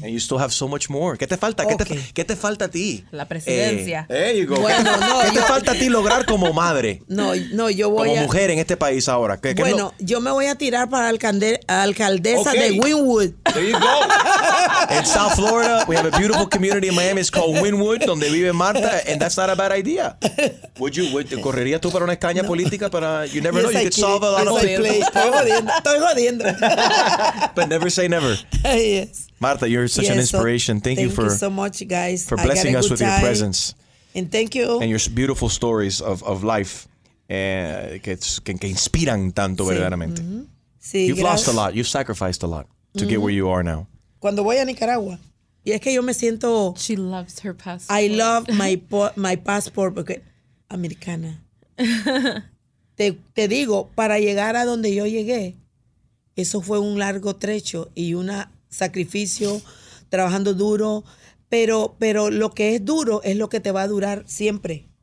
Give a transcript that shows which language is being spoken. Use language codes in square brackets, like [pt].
[en] And you still have so much more. [es] ¿Qué te falta? Okay. ¿Qué te falta a ti? La presidencia. [en] There you go. [es] Bueno, ¿Qué te falta a ti lograr como madre? No, yo voy como mujer en este país ahora. Yo me voy a tirar para alcaldesa de Wynwood. [en] There you go. In South Florida, we have a beautiful community in Miami. It's called Wynwood, [es] donde vive Marta, [en] and that's not a bad idea. [es] ¿Correrías tú para una escaña política? [en] You never know. You could solve a lot of things. [es] Estoy jodiendo. [en] But never say never. Yes. Marta, you're such an inspiration. Thank you so much, guys. For blessing us with your presence. And thank you. And your beautiful stories of life [es] que inspiran tanto, verdaderamente. [en] Mm-hmm. [es] Sí, [en] you've lost a lot. You've sacrificed a lot to get where you are now. [es] Cuando voy a Nicaragua, y es que yo me siento... [en] She loves her passport. I love my passport [es] porque... Americana. te digo, para llegar a donde yo llegué, eso fue un largo trecho y una... sacrificio, trabajando duro, pero lo que es duro es lo que te va a durar siempre.